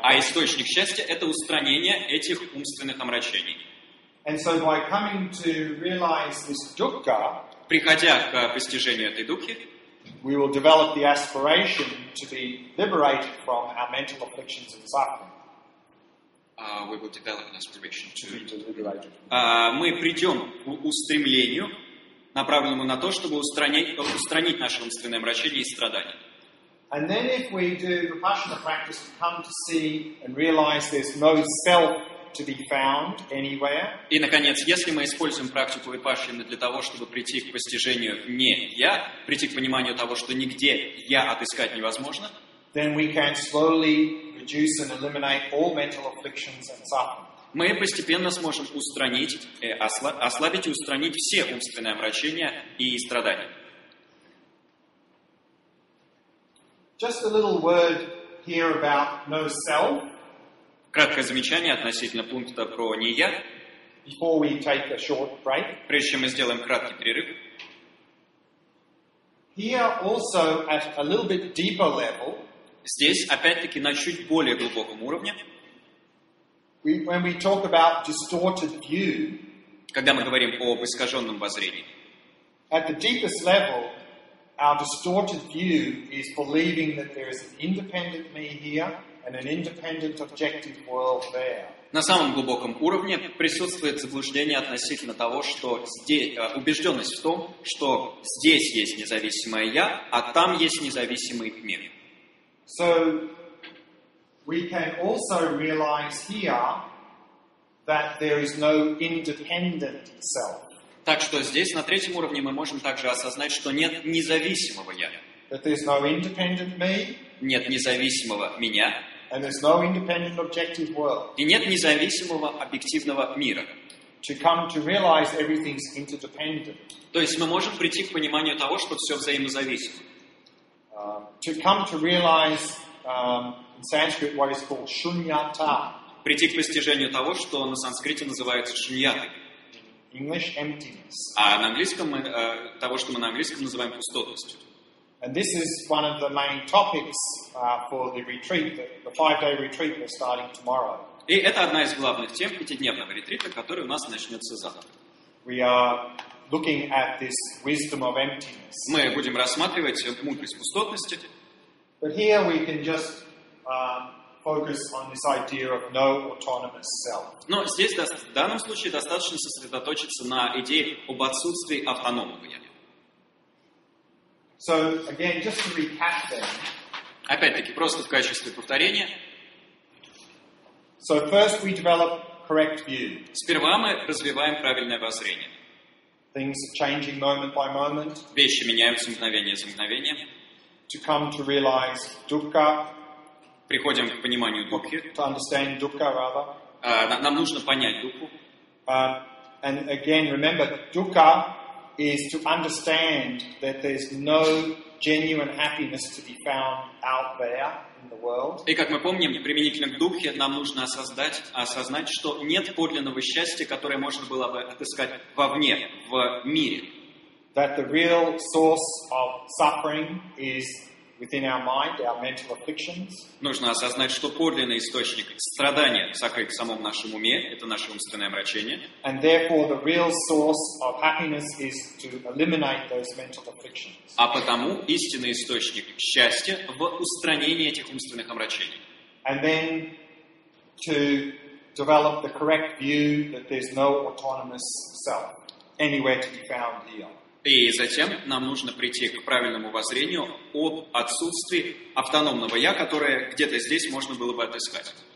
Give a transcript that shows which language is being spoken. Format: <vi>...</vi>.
<ru>А источник счастья — это устранение этих умственных омрачений.</ru> <en>And so by coming to realize this dukkha,</en> <ru>приходя к постижению этой дукхи,</ru> <en>we will develop the aspiration to be liberated from our mental afflictions and suffering. We will develop an aspiration to be liberated.</en> <ru>Мы придем к устремлению, направленному на то, чтобы устранить наши умственные омрачения и страдания.</ru> <en>And then if we do Vipassana practice to come to see and realize there's no self to be found anywhere.</en> <ru>И наконец, если мы используем практику Випашьяны для того, чтобы прийти к постижению не я, прийти к пониманию того, что нигде я отыскать невозможно,</ru> <en>then we can slowly reduce and eliminate all mental afflictions and suffering.</en> <ru>Мы постепенно сможем ослабить и устранить все умственные омрачения и страдания.</ru> <en>Just a little word here about no self.</en> <ru>Краткое замечание относительно пункта про не я.</ru> <en>Before we take a short break.</en> <ru>Прежде чем мы сделаем краткий перерыв.</ru> <en>Here also at a little bit deeper level.</en> <ru>Здесь опять-таки на чуть более глубоком уровне.</ru> <en>When we talk about distorted view.</en> <ru>Когда мы говорим об искаженном воззрении.</ru> <en>At the deepest level. Our distorted view is believing that there is an independent me here and an independent objective world there.</en> <ru>На самом глубоком уровне присутствует заблуждение относительно того, что здесь убежденность в том, что здесь есть независимое я, а там есть независимый мир.</ru> <en>So we can also realize here that there is no independent self.</en> <ru>Так что здесь, на третьем уровне, мы можем также осознать, что нет независимого «я».</ru> <en>That there's no independent me,</en> <ru>нет независимого «меня».</ru> <en>And there's no independent objective world.</en> <ru>И нет независимого объективного мира.</ru> <en>To come to realize everything's interdependent.</en> <ru>То есть мы можем прийти к пониманию того, что все взаимозависимо.</ru> <en>To come to realize, in Sanskrit, what is called shunyata.</en> <ru>Прийти к постижению того, что на санскрите называется «шуньята».</ru> <en>English emptiness.</en> <ru>А на английском мы того, что мы на английском называем пустотностью.</ru> <en>And this is one of the main topics for the retreat, the 5-day retreat we're starting tomorrow.</en> <ru>И это одна из главных тем пятидневного ретрита, который у нас начнется завтра.</ru> <en>We are looking at this wisdom of emptiness.</en> <ru>Мы будем рассматривать мудрость пустотности.</ru> <en>But here we can just focus on this idea of no autonomous self.</en> <ru>Но здесь, в данном случае, достаточно сосредоточиться на идее об отсутствии автономного я.</ru> <en>So, again, just to recap then.</en> <ru>Опять-таки, просто в качестве повторения.</ru> <en>So, first we develop correct view.</en> <ru>Сперва мы развиваем правильное воззрение.</ru> <en>Things are changing moment by moment.</en> <ru>Вещи меняются мгновение за мгновением.</ru> <en>To come to realize dukkha.</en> <ru>Приходим к пониманию дукхи.</ru> <en>To understand dukkha, rather.</en> <ru>Нам нужно понять дукху.</ru> <en>And again, remember, dukkha is to understand that there's no genuine happiness to be found out there in the world.</en> <ru>И как мы помним, применительно к дукхе нам нужно осознать, что нет подлинного счастья, которое можно было бы отыскать вовне, в мире.</ru> <en>That the real source of suffering is within our mind, our mental afflictions.</en> <ru>Нужно осознать, что подлинный источник страдания сокрыт в самом нашем уме, это наше умственное омрачение.</ru> <en>And therefore the real source of happiness is to eliminate those mental afflictions.</en> <ru>А потому истинный источник счастья в устранении этих умственных омрачений.</ru> <en>And then to develop the correct view that there's no autonomous self anywhere to be found here.</en> <ru>И затем нам нужно прийти к правильному воззрению об отсутствии автономного «я», которое где-то здесь можно было бы отыскать.</ru>